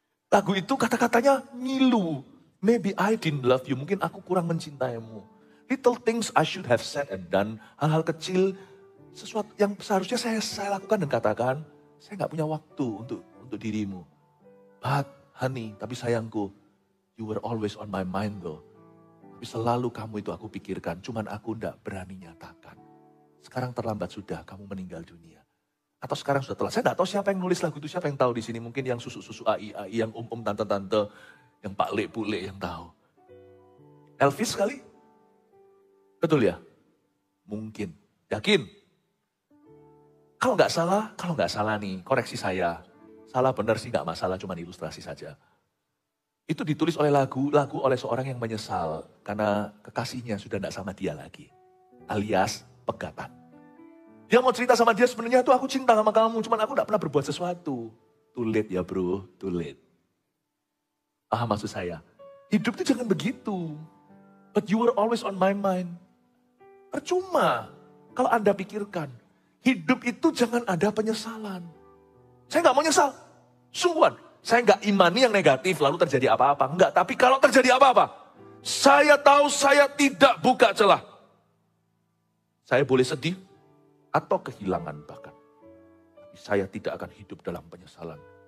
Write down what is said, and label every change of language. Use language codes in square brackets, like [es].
[id] Lagu itu kata-katanya ngilu. [en] Maybe I didn't love you, [id] mungkin aku kurang mencintaimu. [en] Little things I should have said and done, [id] hal-hal kecil, sesuatu yang seharusnya saya lakukan dan katakan, saya gak punya waktu untuk dirimu. [en] But honey, [id] tapi sayangku, [en] you were always on my mind though. [id] Tapi selalu kamu itu aku pikirkan, cuman aku gak berani nyatakan. Sekarang terlambat sudah, kamu meninggal dunia. Atau sekarang sudah telat. Saya gak tahu siapa yang nulis lagu itu, siapa yang tahu di sini. Mungkin yang susu-susu AI, yang om-om, tante-tante, yang Pak Lek, Bu Lek yang tahu. Elvis kali? Betul ya? Mungkin. Yakin? Kalau gak salah nih, koreksi saya. Salah benar sih gak masalah, cuman ilustrasi saja. Itu ditulis oleh lagu oleh seorang yang menyesal karena kekasihnya sudah gak sama dia lagi. Alias pegatan. Dia mau cerita sama dia, sebenarnya tuh aku cinta sama kamu, cuman aku gak pernah berbuat sesuatu. [en] Too late [id] ya bro, [en] too late. [id] Ah, maksud saya, hidup tuh jangan begitu. [en] But you were always on my mind. [id] Percuma kalau Anda pikirkan. Hidup itu jangan ada penyesalan. Saya gak mau nyesal. Sungguhan, saya gak imani yang negatif lalu terjadi apa-apa. Enggak, tapi kalau terjadi apa-apa, saya tahu saya tidak buka celah. Saya boleh sedih atau kehilangan bahkan. Tapi saya tidak akan hidup dalam penyesalan.